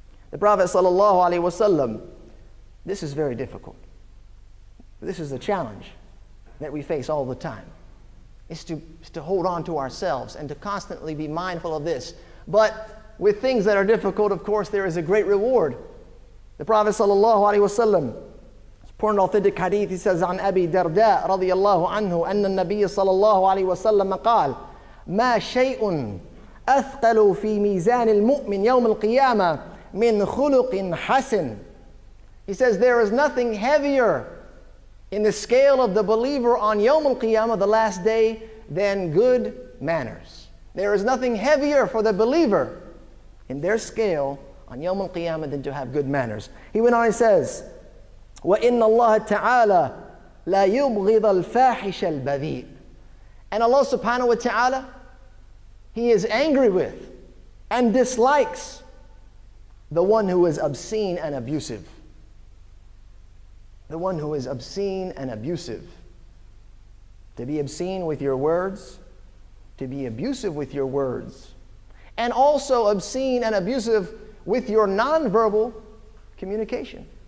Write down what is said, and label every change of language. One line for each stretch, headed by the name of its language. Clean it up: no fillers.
English: The Prophet sallallahu alaihi wasallam, this is very difficult. This is a challenge that we face all the time. It's to hold on to ourselves and to constantly be mindful of this. But with things that are difficult, of course, there is a great reward. The Prophet sallallahu alaihi wasallam, reported authentic hadith, he says,
Arabic: عن أبي درداء رضي الله عنه أن النبي صلى الله عليه وسلم قال ما شيء أثقل في ميزان المؤمن يوم القيامة من خلق حسن.
English: He says, there is nothing heavier in the scale of the believer on يوم القيامة, the last day, than good manners. There is nothing heavier for the believer in their scale on يوم القيامة than to have good manners. He went on and says,
Arabic: وَإِنَّ اللَّهَ تَعَالَى لَا يُبْغِضَ الْفَاحِشَ الْبَذِيءِ.
English: And Allah subhanahu wa ta'ala, He is angry with and dislikes the one who is obscene and abusive. The one who is obscene and abusive. To be obscene with your words, to be abusive with your words, and also obscene and abusive with your nonverbal communication.